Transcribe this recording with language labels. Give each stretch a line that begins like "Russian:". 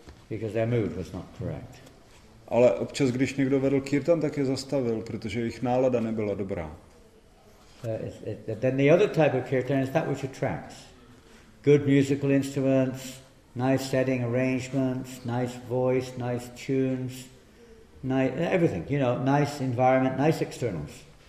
English: Because their mood was not correct.
Czech: Ale občas, když někdo vedl kirtan, tak je zastavil, protože jejich nálada nebyla dobrá.
English: Then the other type of kirtan is that which attracts. Good musical instruments, nice setting arrangements, nice voice, nice tunes, nice everything, you know, nice environment, nice externals.